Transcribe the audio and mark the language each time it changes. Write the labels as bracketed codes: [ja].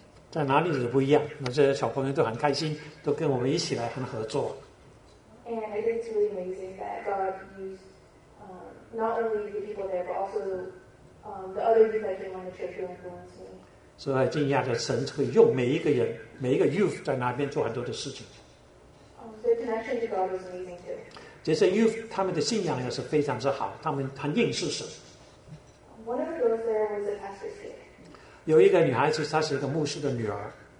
[zh] 在哪里都不一样，那些小朋友都很开心，都跟我们一起来很合作。 [en] And I think it's really amazing that God used not only the people there, but also the other youth that came on the trip to influence me. [zh] 所以惊讶的神可以用每一个人，每一个 youth 在那边做很多的事情。 [en] The connection to God was amazing too. [zh] 这些 youth 他们的信仰也是非常之好，他们很认识神。 [en] One of the girls there was a pastor's kid. [zh] 有一个女孩子，她是一个牧师的女儿。